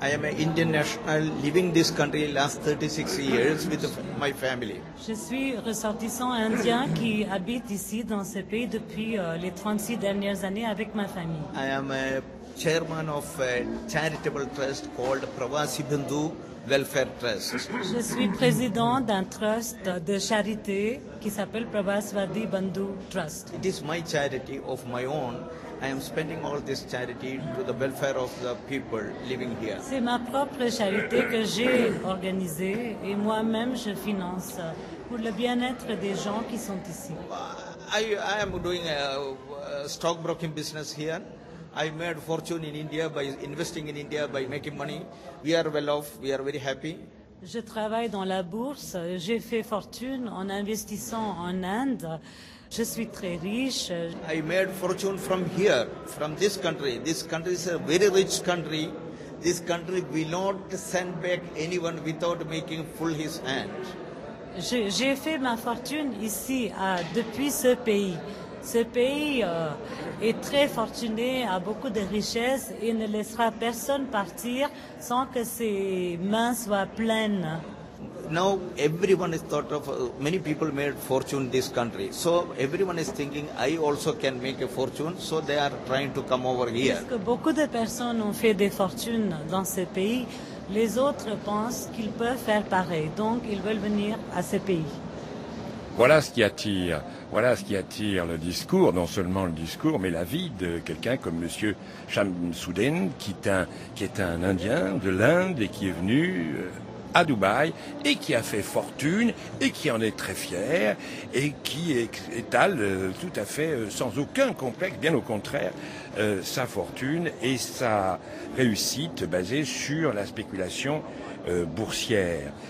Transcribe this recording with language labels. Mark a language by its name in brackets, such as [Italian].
[English] I am an Indian national living this country last 36 years with my family. [French] Je suis ressortissant indien qui habite ici dans ce pays depuis les 36 dernières années avec ma famille. [English] I am a chairman of a charitable trust called Pravasi Bindu Welfare Trust. [French] Je suis président d'un trust de charité qui s'appelle Pravasvadi Bandhu Trust. [English] It is my charity of my own. I am spending all this charity to the welfare of the people living here. [French] C'est ma propre charité que j'ai organisée et moi-même je finance pour le bien-être des gens qui sont ici. [English] I am doing a stockbroking business here. I made fortune in India by investing in India by making money. We are well off. We are very happy. [French] Je travaille dans la bourse. J'ai fait fortune en investissant en Inde. Je suis très riche. [English] I made fortune from here, from this country. This country is a very rich country. This country will not send back anyone without making full his hand. [French] J'ai fait ma fortune ici, depuis ce pays. Ce pays est très fortuné, a beaucoup de richesses et ne laissera personne partir sans que ses mains soient pleines. [English] Now everyone is thought of, many people made fortune in this country. So everyone is thinking, I also can make a fortune. So they are trying to come over here. [French] Parce que beaucoup de personnes ont fait des fortunes dans ce pays, les autres pensent qu'ils peuvent faire pareil. Donc ils veulent venir à ce pays. Voilà ce qui attire. Voilà ce qui attire le discours, non seulement le discours, mais la vie de quelqu'un comme Monsieur Shamsuddin, qui est un Indien de l'Inde et qui est venu à Dubaï et qui a fait fortune et qui en est très fier et qui étale tout à fait sans aucun complexe, bien au contraire, sa fortune et sa réussite basée sur la spéculation boursière.